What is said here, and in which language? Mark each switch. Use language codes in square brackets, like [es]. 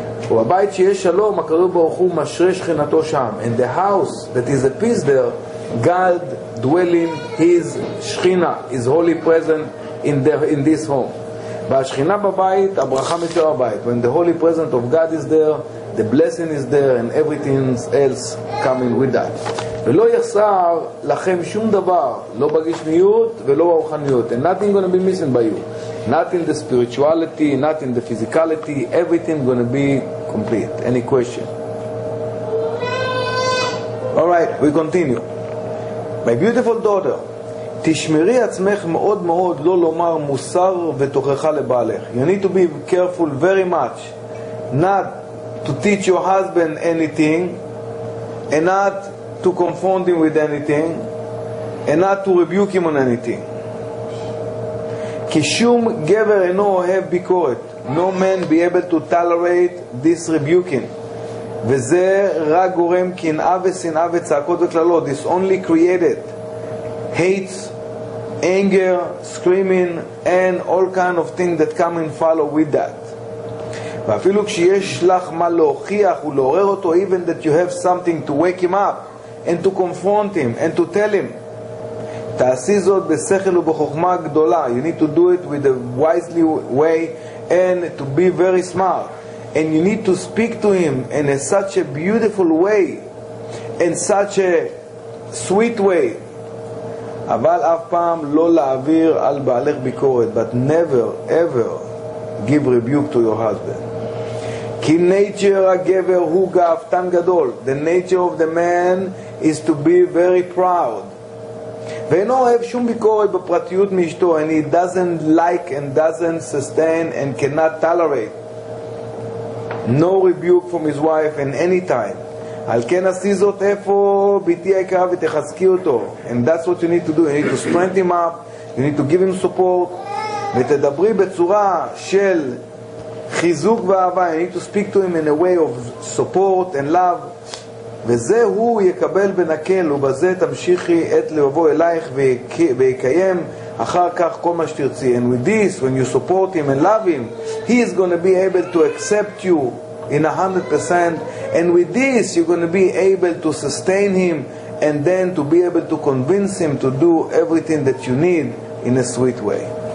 [he] ובבית שיש שלום הקדוש ברוך הוא משרה שכינתו שם, [en] and the house that is a peace there, God dwelling his שכינה, his holy present in this home. [he] והשכינה בבית הברכה מצויה בבית, [en] when the holy present of God is there, the blessing is there and everything else coming with that. [he] ולא יחסר לכם שום דבר, לא בגשמיות ולא ברוחניות. [en] And nothing going to be missing by you. Not in the spirituality, not in the physicality. Everything going to be complete. Any question? All right, we continue. My beautiful daughter, [he] תשמרי עצמך מאוד מאוד לא לומר מוסר ותוכחה לבעלך. [en] You need to be careful very much. Not to teach your husband anything, and not to confound him with anything, and not to rebuke him on anything. [he] כי שום גבר אינו אוהב ביקורת. [en] No man be able to tolerate this rebuking. [he] וזה רק גורם קנאה ושנאה וצעקות וכללות. [en] This only created hate, anger, screaming, and all kind of things that come and follow with that. [he] ואפילו כשיש לך מה להוכיח ולעורר אותו, [en] even that you have something to wake him up and to confront him and to tell him, [he] תעשי זאת בשכל ובחוכמה גדולה. [en] You need to do it with a wisely way and to be very smart. And you need to speak to him in a such a beautiful way, in such a sweet way. [he] אבל אף פעם לא להעביר על בעלך ביקורת. [en] But never, ever give rebuke to your husband. [he] כי nature הגבר הוא גאוותן גדול. [en] The nature of the man is to be very proud. [he] ואינו אוהב שום ביקורת בפרטיות מאשתו, [en] and he doesn't like and doesn't sustain and cannot tolerate no rebuke from his wife in any time. [he] על כן עשי זאת איפה ביתי היקרה ותחזקי אותו. [en] And that's what you need to do. You need to strengthen him up. You need to give him support. [he] ותדברי בצורה של חיזוק ואהבה. [en] You need to speak to him in a way of support and love. [he] וזה הוא יקבל בנקל, ובזה תמשיכי את לבבו אלייך ויקיים אחר כך כל מה שתרצי. [en] And with this, when you support him and love him, he is going to be able to accept you in 100%. And with this, you're going to be able to sustain him and then to be able to convince him to do everything that you need in a sweet way.